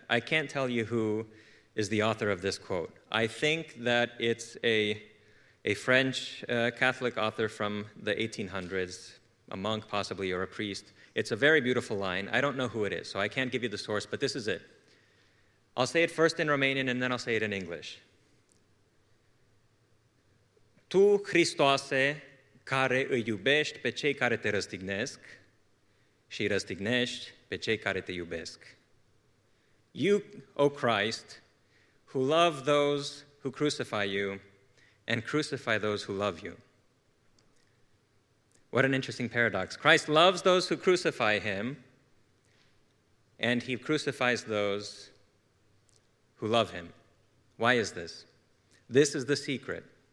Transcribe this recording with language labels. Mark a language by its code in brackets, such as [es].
[en] I can't tell you who is the author of this quote. I think that it's a French Catholic author from the 1800s, a monk possibly, or a priest. It's a very beautiful line. I don't know who it is, so I can't give you the source, but this is it. I'll say it first in Romanian, and then I'll say it in English. [ro] Tu, Hristoase, care îi iubești pe cei care te răstignesc și răstignești pe cei care te iubesc. [en] You, O Christ, who love those who crucify you and crucify those who love you. What an interesting paradox. Christ loves those who crucify him, and he crucifies those who love him. Why is this? This is the secret.